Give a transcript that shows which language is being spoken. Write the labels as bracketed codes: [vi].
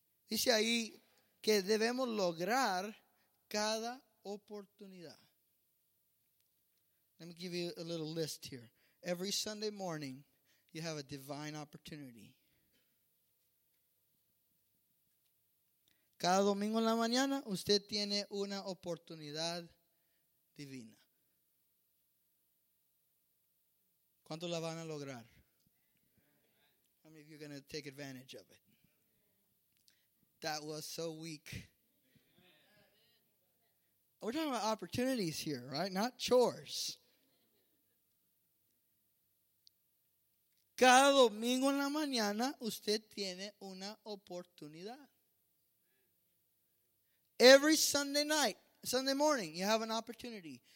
[es] Dice ahí que debemos lograr cada oportunidad. [en] Let me give you a little list here. Every Sunday morning, you have a divine opportunity. [es] Cada domingo en la mañana, usted tiene una oportunidad divina. ¿Cuánto la van a lograr? [en] How many of you are going to take advantage of it? That was so weak. We're talking about opportunities here, right? Not chores. [es] Cada domingo en la mañana, usted tiene una oportunidad. [en] Every Sunday night, Sunday morning, you have an opportunity.